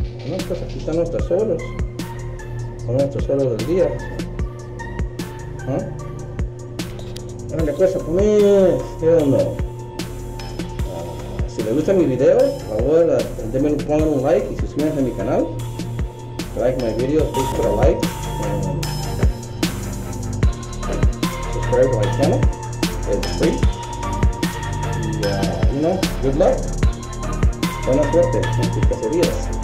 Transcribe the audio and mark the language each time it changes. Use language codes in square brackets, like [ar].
[es] No, pues aquí están los tesoros. Con estos celos del día. ¿Ah? Dale pues a poner. ¿Qué onda? Si le gusta mi video, favor, denme pongan un like y suscríbanse a mi canal. [en] Like my videos, please put a like. Subscribe to my channel. It's free. Y you know, good luck. [es] Buena suerte en tus caserías.